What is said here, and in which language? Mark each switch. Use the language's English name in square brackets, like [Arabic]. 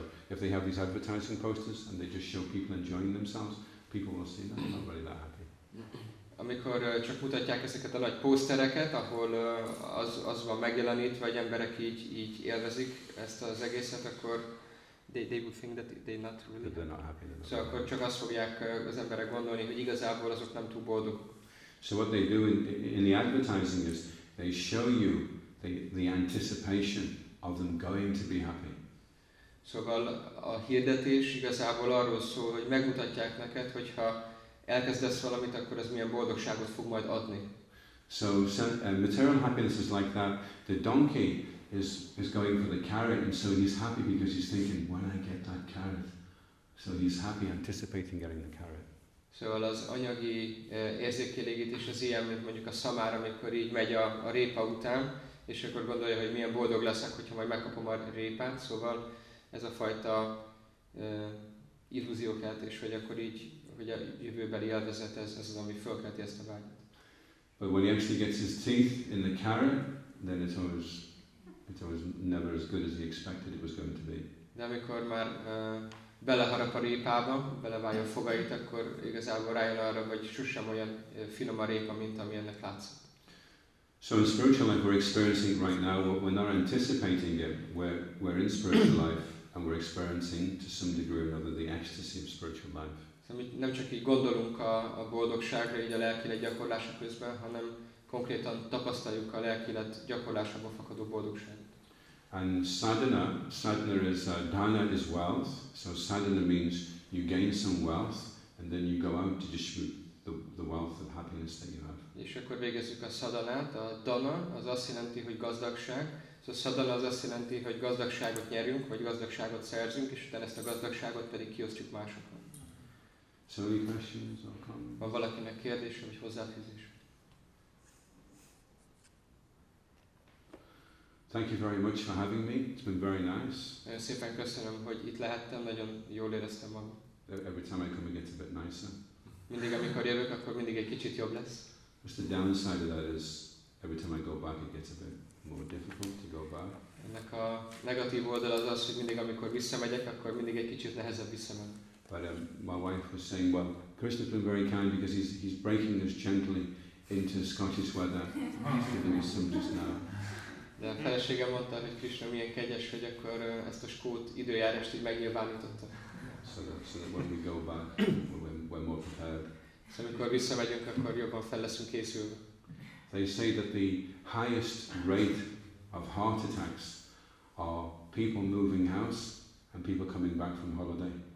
[English] If they have these advertising posters and they just show people enjoying themselves, people will see that they're not really that happy. [Hungarian] Amikor csak mutatják ezeket a nagy posztereket, ahol az van megjelenítve, vagy emberek így élvezik ezt az egészet, akkor [English] they would think that they not really that they're not happy. [Hungarian] Szóval so akkor csak azt fogják az emberek gondolni, hogy igazából azok nem túl boldog. [English] So what they do in the advertising is they show you the anticipation of them going to be happy. [Hungarian] Szóval a hirdetés igazából arról szól, hogy megmutatják neked, hogyha elkezdesz valamit, akkor ez milyen boldogságot fog majd adni. [English] So material happiness is like that. The donkey is going for the carrot, and so he's happy because he's thinking, when I get that carrot, so he's happy anticipating getting the carrot. [Hungarian] Szóval az anyagi érzékelégítés az ilyen, mint mondjuk a szamár, amikor így megy a répa után, és akkor gondolja, hogy milyen boldog leszek, hogyha majd megkapom a répát. Szóval ez a fajta illúziókeltés, hogy akkor így, hogy a jövőbeli élvezet, ez az, ami fölkelti ezt a vágyat. [English] But when he actually gets his teeth in the carrot, then it was never as good as he expected it was going to be. [Hungarian] De amikor már beleharap a répába, belevágja a fogait, akkor igazából rájön arra, hogy sosem olyan finom a répa, mint ami ennek látszott. [English] So in spiritual life we're experiencing right now, we're not anticipating it, we're in spiritual life, and we're experiencing to some degree or another the ecstasy of spiritual life. [Hungarian] Nem csak így gondolunk a boldogságra, így a lelkélet gyakorlása közben, hanem konkrétan tapasztaljuk a lelkélet gyakorlásából fakadó boldogságot. [English] And sadhana is dana is wealth. So sadhana means you gain some wealth and then you go out to distribute the wealth of happiness that you have. [Hungarian] És akkor végezzük a sadhanát. A dana az azt jelenti, hogy gazdagság. Szóval sadhana az azt jelenti, hogy gazdagságot nyerünk, vagy gazdagságot szerzünk, és utána ezt a gazdagságot pedig kiosztjuk másoknak. [English] So any questions or comments? [Hungarian] Van valakinek kérdése, vagy hozzáfűzés? [English] Thank you very much for having me. It's been very nice. [Hungarian] Nagyon szépen köszönöm, hogy itt lehettem. Nagyon jól éreztem magam. [English] Every time I come, it gets a bit nicer. [Hungarian] Mindig, amikor jövök, akkor mindig egy kicsit jobb lesz. [English] Just the downside of that is, every time I go back, it gets a bit more difficult to go back. [Hungarian] Ennek a negatív oldal az, hogy mindig, amikor visszamegyek, akkor mindig egy kicsit nehezebb visszamenni. [English] But my wife was saying, well, Krishna's been very kind because he's breaking us gently into Scottish weather. He's giving us some just now. [Hungarian] De a felesége mondta, hogy Krishna milyen kegyes, hogy akkor ezt a skót időjárást így megnyilvánította. [English] so that when we go back, when we're prepared. [Hungarian] So amikor visszamegyünk, akkor jobban fel leszünk készülve. [English] They say that the highest rate of heart attacks are people moving house and people coming back from holiday.